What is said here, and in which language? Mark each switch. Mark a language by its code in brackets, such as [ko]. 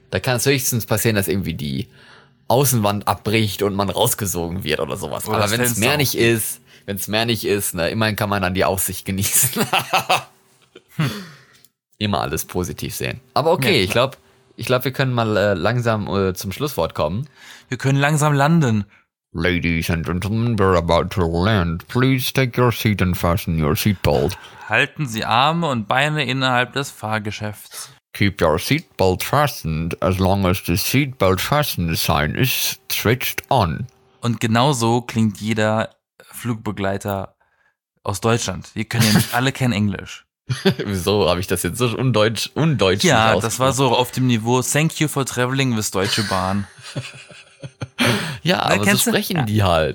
[de] Da kann es höchstens passieren, dass irgendwie die Außenwand abbricht und man rausgesogen wird oder sowas. Oder aber wenn es mehr nicht ist, ne, immerhin kann man dann die Aussicht genießen. Immer alles positiv sehen. Aber okay, ja, ich glaube, wir können mal langsam zum Schlusswort kommen. Wir können langsam landen. [en] Ladies and gentlemen, we're about to land. Please take your seat and fasten your seatbelt. [de] Halten Sie Arme und Beine innerhalb des Fahrgeschäfts. [en] Keep your seatbelt fastened as long as the seatbelt fastened sign is switched on. [de] Und genau so klingt jeder Flugbegleiter aus Deutschland. Wir können ja nicht alle kennen Englisch. Wieso habe ich das jetzt so undeutsch? Ja, das war so auf dem Niveau [en] Thank you for traveling with Deutsche Bahn. [de] Ja, na, aber so sprechen die halt.